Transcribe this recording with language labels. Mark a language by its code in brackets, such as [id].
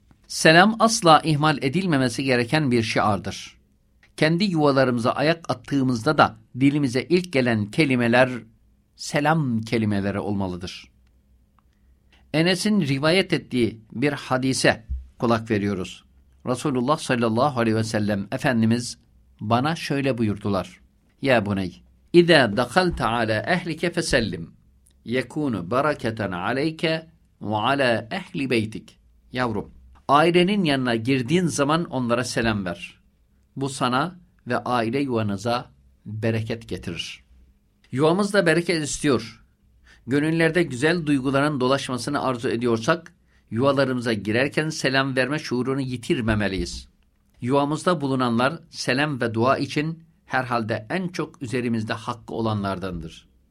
[tr] Selam asla ihmal edilmemesi gereken bir şiardır. Kendi yuvalarımıza ayak attığımızda da dilimize ilk gelen kelimeler selam kelimeleri olmalıdır. Enes'in rivayet ettiği bir hadise kulak veriyoruz. Resulullah sallallahu aleyhi ve sellem Efendimiz bana şöyle buyurdular. [ar] Ya buney, اِذَا دَخَلْتَ عَلَى اَهْلِكَ فَسَلِّمْ يَكُونُ بَرَكَةً عَلَيْكَ وَعَلَى اَهْلِ بَيْتِكَ [tr] Yavrum, ailenin yanına girdiğin zaman onlara selam ver. Bu sana ve aile yuvanıza bereket getirir. Yuvamız da bereket istiyor. Gönüllerde güzel duyguların dolaşmasını arzu ediyorsak, yuvalarımıza girerken selam verme şuurunu yitirmemeliyiz. Yuvamızda bulunanlar selam ve dua için herhalde en çok üzerimizde hakkı olanlardandır.